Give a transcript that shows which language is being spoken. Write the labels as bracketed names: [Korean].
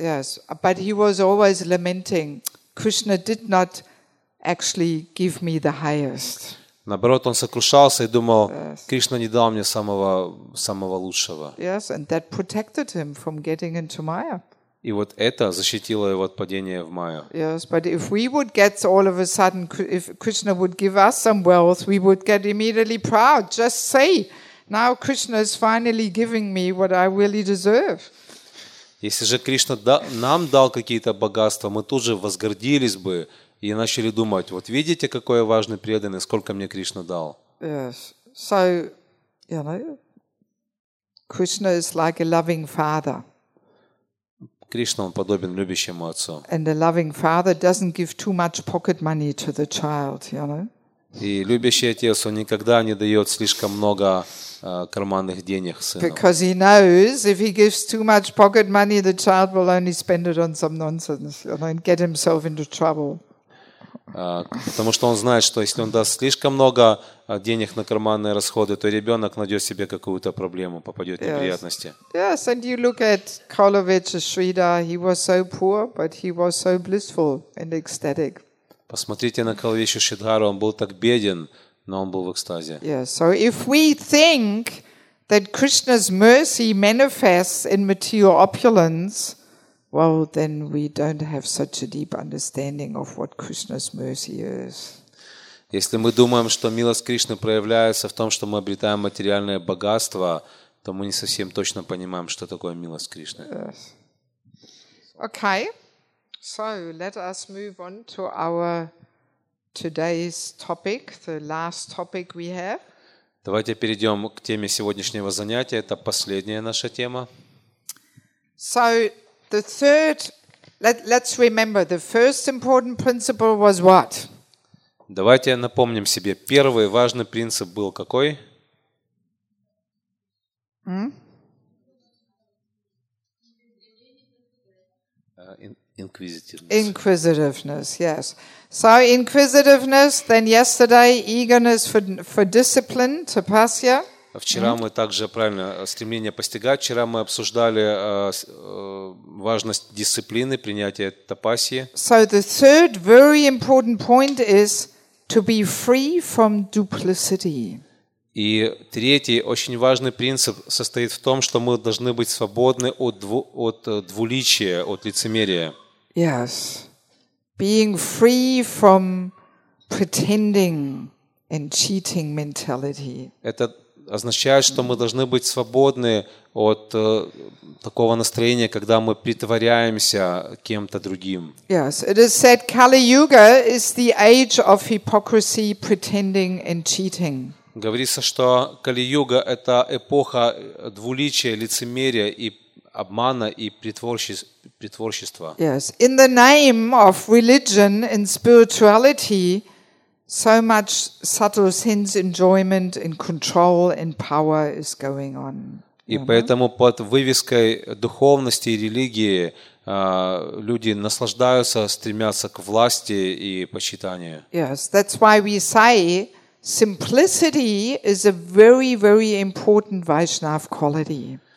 [English] Yes, yes, but he was always lamenting. Krishna did not actually give me the highest. [Russian] Наоборот, он сокрушался и думал, Кришна не дал мне самого лучшего. [English] Yes, and that protected him from getting into Maya. [Russian] И вот это защитило его от падения в Майю. [English] Yes, but if we would get all of a sudden, if Krishna would give us some wealth, we would get immediately proud. Just say, now Krishna is finally giving me what I really deserve. [Russian] Если же Кришна нам дал какие-то богатства, мы тут же возгордились бы и начали думать, вот видите, какой я важный преданный, сколько мне Кришна дал. [English] Yes, so, you know, Krishna is like a loving father. [Russian] Кришна, он подобен любящему отцу. [English] And a loving father doesn't give too much pocket money to the child, you know. [Russian] И любящий отец, он никогда не дает слишком много карманных денег сыну. [English] Because he knows if he gives too much pocket money, the child will only spend it on some nonsense, you know, and get himself into trouble. [Russian] Потому что он знает, что если он даст слишком много денег на карманные расходы, то ребенок найдет себе какую-то проблему, попадет в неприятности. [English] Yes, and you look at Kalavicha Sridhar. He was so poor, but he was so blissful and ecstatic. [Russian] Посмотрите на Калавичу Шридхару. Он был так беден, но он был в экстазе. [English] Yes, so if we think that Krishna's mercy manifests in material opulence, well, then we don't have such a deep understanding of what Krishna's mercy is. [Russian] Если мы думаем, что милость Кришны проявляется в том, что мы обретаем материальное богатство, то мы не совсем точно понимаем, что такое милость Кришны. [English] Yes. Okay. So, let us move on to our today's topic, the last topic we have. [Russian] Давайте перейдем к теме сегодняшнего занятия. Это последняя наша тема. [English] So, the third, let's remember, the first important principle was what? [Russian] Давайте напомним себе, первый важный принцип был какой? [English] Inquisitiveness, yes. So inquisitiveness, then yesterday eagerness for discipline, tapasya. [Russian] Вчера мы также, правильно, стремление постигать. Вчера мы обсуждали важность дисциплины, принятия тапасьи. [English] So the third very important point is to be free from duplicity. [Russian] И третий очень важный принцип состоит в том, что мы должны быть свободны от двуличия, от лицемерия. [English] Yes. Being free from pretending and cheating mentality. [Russian] Это означает, что мы должны быть свободны от такого настроения, когда мы притворяемся кем-то другим. [English] Yes, it is said Kali Yuga is the age of hypocrisy, pretending and cheating. [Russian] Говорится, что Кали Юга — это эпоха двуличия, лицемерия и обмана и притворчества. [English] Yes, in the name of religion and spirituality, so much subtle sense enjoyment and control and power is going on. [Russian] И поэтому под вывеской духовности и религии люди наслаждаются, стремятся к власти и почитанию. [English] Yes, that's why we say simplicity is a very, very important Vaishnava quality.